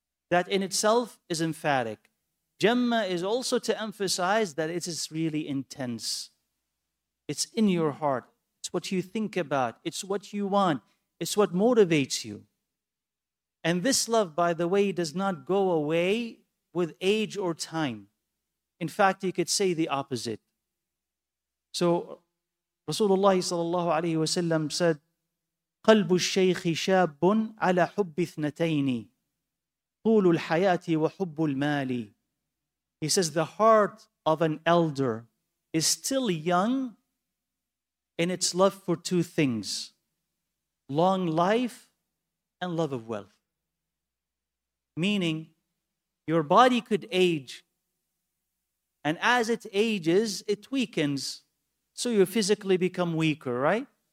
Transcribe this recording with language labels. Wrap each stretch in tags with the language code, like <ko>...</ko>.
<en>That in itself is emphatic. Jamma is also to emphasize that it is really intense. It's in your heart. It's what you think about. It's what you want. It's what motivates you. And this love, by the way, does not go away with age or time. In fact, you could say the opposite. So Rasulullah sallallahu alayhi wa sallam said,</en> <ar>قلب الشيخ شاب على حب اثنتين طول الحياة وحب المال.</ar> <en>He says, the heart of an elder is still young in its love for two things, long life and love of wealth. Meaning, your body could age, and as it ages, it weakens, so you physically become weaker, right?</en>